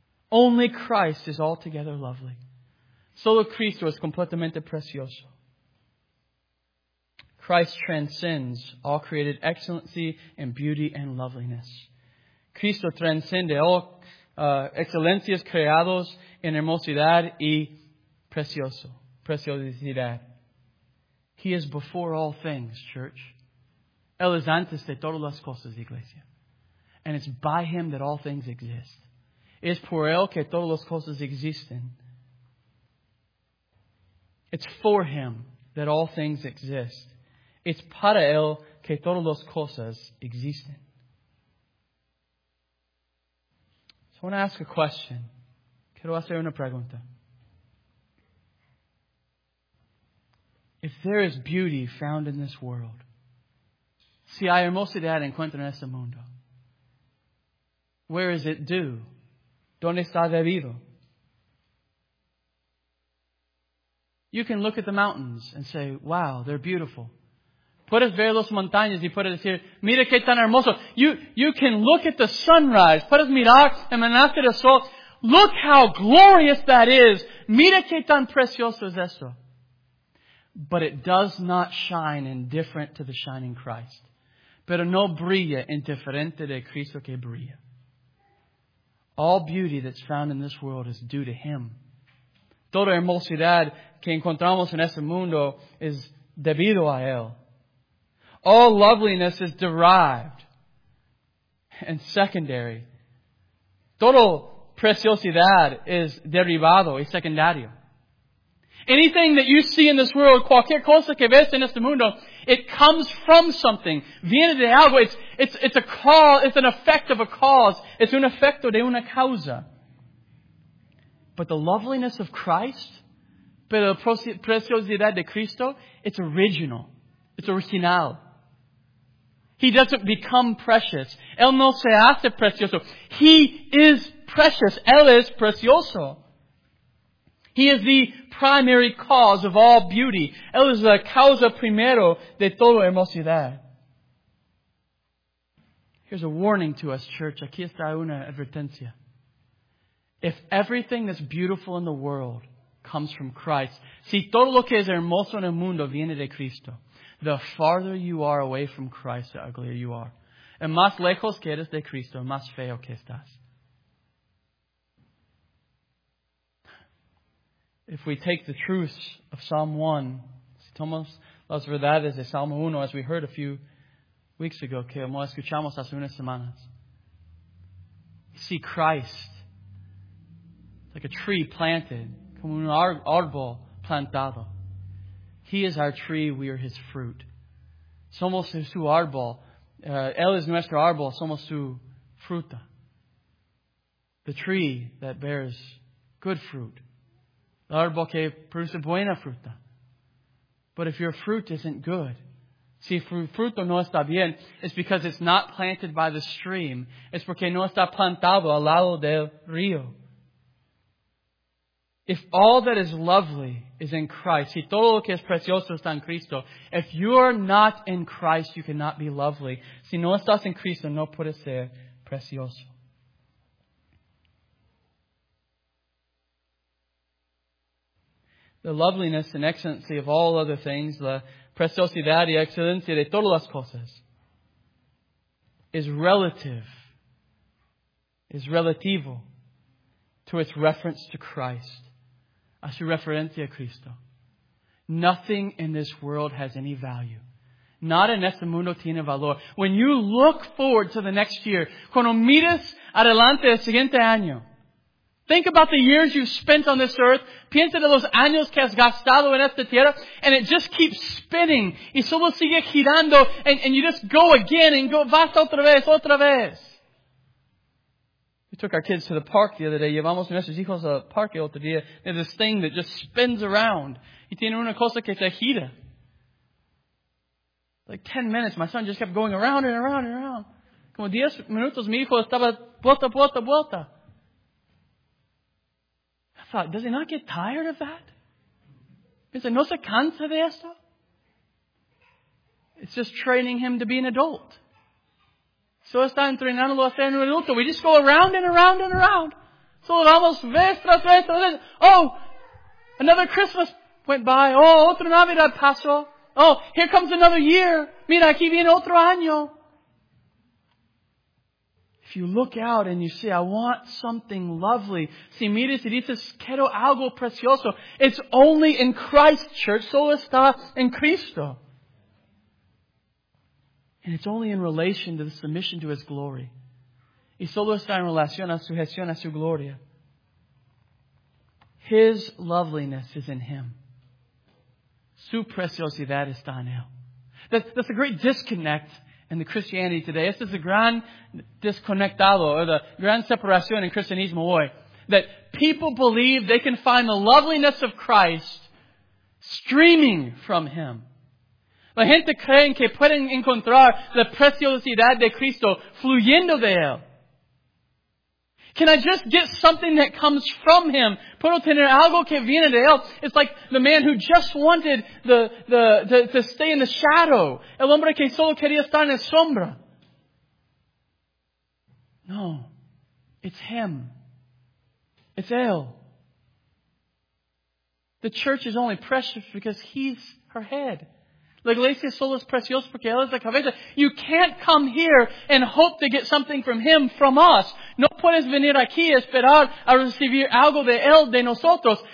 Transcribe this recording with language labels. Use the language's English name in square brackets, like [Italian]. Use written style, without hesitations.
[English] Only Christ is altogether lovely. [Spanish] Solo Cristo es completamente precioso. [English] Christ transcends all created excellency and beauty and loveliness. [Spanish] Cristo transcende all excelencias creados en hermosidad y precioso, preciosidad. [English] He is before all things, church. [Spanish] Él es antes de todas las cosas, iglesia. [English] And it's by Him that all things exist. [Spanish] Es por Él que todas las cosas existen. [English] It's for Him that all things exist. [Spanish] It's para Él que todas las cosas existen. [English] So I want to ask a question. [Spanish] Quiero hacer una pregunta. [English] If there is beauty found in this world, [Spanish] si hay hermosidad encuentra en este mundo, [English] where is it due? [Spanish] ¿Dónde está debido? [English] You can look at the mountains and say, wow, they're beautiful. [Spanish] Puedes ver las montañas y puedes decir, mira qué tan hermoso. [English] You can look at the sunrise. [Spanish] Puedes mirar el amanecer del sol. [English] Look how glorious that is. [Spanish] Mira qué tan precioso es eso. [English] But it does not shine indifferent to the shining Christ. [Spanish] Pero no brilla indiferente de Cristo que brilla. [English] All beauty that's found in this world is due to Him. [Spanish] Toda hermosidad que encontramos en este mundo es debido a Él. [English] All loveliness is derived and secondary. [Spanish] Todo preciosidad es derivado y secundario. [English] Anything that you see in this world, [Spanish] cualquier cosa que ves en este mundo, [English] it comes from something. [Spanish] Viene de algo. [English] It's a cause. It's an effect of a cause. It's [Spanish] un efecto de una causa. [English] But the loveliness of Christ, [Spanish] pero la preciosidad de Cristo, [English] it's original. It's original. He doesn't become precious. [Spanish] Él no se hace precioso. [English] He is precious. [Spanish] Él es precioso. [English] He is the primary cause of all beauty. [Spanish] Él es la causa primero de toda hermosidad. [English] Here's a warning to us, church. [Spanish] Aquí está una advertencia. [English] If everything that's beautiful in the world comes from Christ, [Spanish] si todo lo que es hermoso en el mundo viene de Cristo, [English] the farther you are away from Christ, the uglier you are. [Spanish] El más lejos que eres de Cristo, el más feo que estás. [English] If we take the truth of Psalm 1, [Spanish] si tomamos las verdades de Psalm 1, [English] as we heard a few weeks ago, [Spanish] que como escuchamos hace unas semanas, [English] see Christ like a tree planted, [Spanish] como un árbol plantado. [English] He is our tree, we are His fruit. [Spanish] Somos su árbol. Él es nuestro árbol, somos su fruta. [English] The tree that bears good fruit. [Spanish] El árbol que produce buena fruta. [English] But if your fruit isn't good, [Spanish] si fruto no está bien, [English] it's because it's not planted by the stream. [Spanish] Es porque no está plantado al lado del río. [English] If all that is lovely is in Christ, [Spanish] si todo lo que es precioso está en Cristo, [English] if you're not in Christ, you cannot be lovely. [Spanish] Si no estás en Cristo, no puedes ser precioso. [English] The loveliness and excellency of all other things, [Spanish] la preciosidad y excelencia de todas las cosas, [English] is relative, is relativo to its reference to Christ. [Spanish] A su referencia a Cristo. [English] Nothing in this world has any value. [Spanish] Nada en este mundo tiene valor. [English] When you look forward to the next year, [Spanish] cuando miras adelante el siguiente año, [English] think about the years you've spent on this earth, [Spanish] piensa de los años que has gastado en esta tierra, [English] and it just keeps spinning, [Spanish] y solo sigue girando, [English] and you just go again, and go, [Spanish] vas otra vez, otra vez. [English] We took our kids to the park the other day. [Spanish] Llevamos a nuestros hijos al parque otro día. [English] There's this thing that just spins around. [Spanish] Y tiene una cosa que se gira. [English] Like 10 minutes, my son just kept going around and around and around. [Spanish] Como 10 minutos, mi hijo estaba vuelta, vuelta, vuelta. [English] I thought, does he not get tired of that? He said, [Spanish] no se cansa de esto? [English] It's just training him to be an adult. [Spanish] So está entrenándolo a ser un adulto. [English] We just go around and around and around. [Spanish] So vamos vez tras vez tras vez. [English] Oh, another Christmas went by. [Spanish] Oh, otra Navidad pasó. [English] Oh, here comes another year. [Spanish] Mira, aquí viene otro año. [English] If you look out and you say, I want something lovely. [Spanish] Si miras y dices, quiero algo precioso. [English] It's only in Christ, church. [Spanish] Solo está en Cristo. [English] And it's only in relation to the submission to His glory. [Spanish] Y solo está en relación a su gestión, a su gloria. [English] His loveliness is in Him. [Spanish] Su preciosidad está en Él. [English] That's a great disconnect in the Christianity today. [Spanish] Este es el gran desconectado, [English] or the [Spanish] gran separación en cristianismo hoy. [English] That people believe they can find the loveliness of Christ streaming from Him. [Spanish] La gente cree que pueden encontrar la preciosidad de Cristo fluyendo de él. [English] Can I just get something that comes from him? [Spanish] Puedo tener algo que viene de él. [English] It's like the man who just wanted to stay in the shadow. [Spanish] El hombre que solo quería estar en la sombra. [English] No. It's him. It's él. The church is only precious because he's her head. [Spanish] La iglesia solo es preciosa porque él es la cabeza. [English] You can't come here and hope to get something from him, from us. [Spanish] No puedes venir aquí y esperar a recibir algo de él, de nosotros.